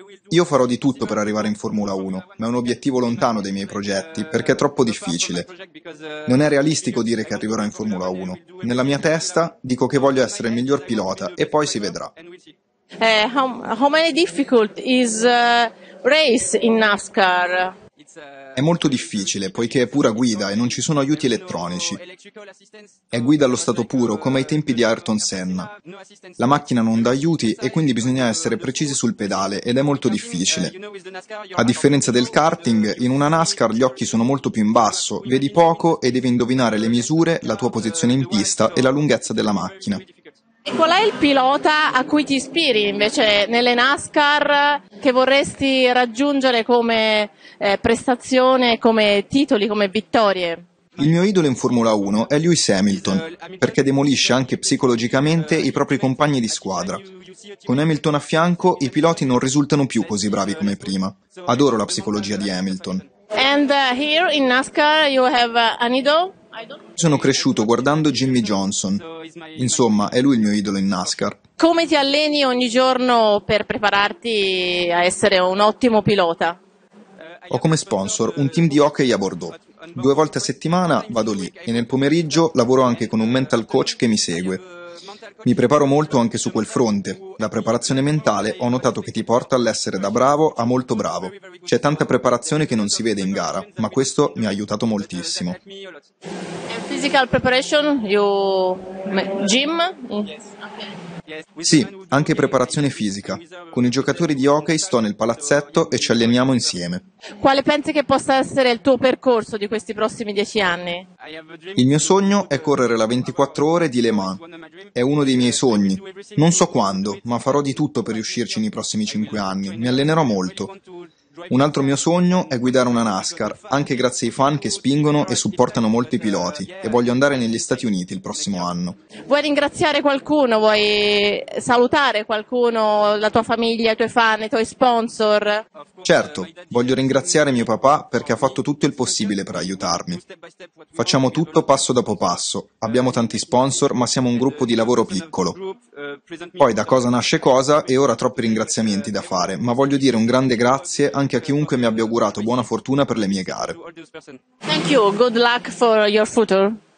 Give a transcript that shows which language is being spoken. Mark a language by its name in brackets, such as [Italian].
[Italian] Io farò di tutto per arrivare in Formula 1, ma è un obiettivo lontano dai miei progetti, perché è troppo difficile. Non è realistico dire che arriverò in Formula 1. Nella mia testa dico che voglio essere il miglior pilota e poi si vedrà. [English] How many difficult is race in NASCAR? [Italian] È molto difficile, poiché è pura guida e non ci sono aiuti elettronici. È guida allo stato puro, come ai tempi di Ayrton Senna. La macchina non dà aiuti e quindi bisogna essere precisi sul pedale ed è molto difficile. A differenza del karting, in una NASCAR gli occhi sono molto più in basso, vedi poco e devi indovinare le misure, la tua posizione in pista e la lunghezza della macchina. E qual è il pilota a cui ti ispiri invece nelle NASCAR che vorresti raggiungere come prestazione, come titoli, come vittorie? Il mio idolo in Formula 1 è Lewis Hamilton, perché demolisce anche psicologicamente i propri compagni di squadra. Con Hamilton a fianco i piloti non risultano più così bravi come prima. Adoro la psicologia di Hamilton. [English] And here in NASCAR you have an idol? [Italian] Sono cresciuto guardando Jimmy Johnson. Insomma, è lui il mio idolo in NASCAR. Come ti alleni ogni giorno per prepararti a essere un ottimo pilota? Ho come sponsor un team di hockey a Bordeaux. Due volte a settimana vado lì e nel pomeriggio lavoro anche con un mental coach che mi segue. Mi preparo molto anche su quel fronte. La preparazione mentale ho notato che ti porta all'essere da bravo a molto bravo. C'è tanta preparazione che non si vede in gara, ma questo mi ha aiutato moltissimo. [English] Physical preparation, you gym? [Italian] Sì, anche preparazione fisica. Con i giocatori di hockey sto nel palazzetto e ci alleniamo insieme. Quale pensi che possa essere il tuo percorso di questi prossimi 10 anni? Il mio sogno è correre la 24 ore di Le Mans. È uno dei miei sogni. Non so quando, ma farò di tutto per riuscirci nei prossimi 5 anni. Mi allenerò molto. Un altro mio sogno è guidare una NASCAR, anche grazie ai fan che spingono e supportano molti piloti, e voglio andare negli Stati Uniti il prossimo anno. Vuoi ringraziare qualcuno? Vuoi salutare qualcuno, la tua famiglia, i tuoi fan, i tuoi sponsor? Certo, voglio ringraziare mio papà perché ha fatto tutto il possibile per aiutarmi. Facciamo tutto passo dopo passo, abbiamo tanti sponsor ma siamo un gruppo di lavoro piccolo. Poi da cosa nasce cosa e ora troppi ringraziamenti da fare, ma voglio dire un grande grazie anche a chiunque mi abbia augurato buona fortuna per le mie gare. [English] Thank you, good luck for your future.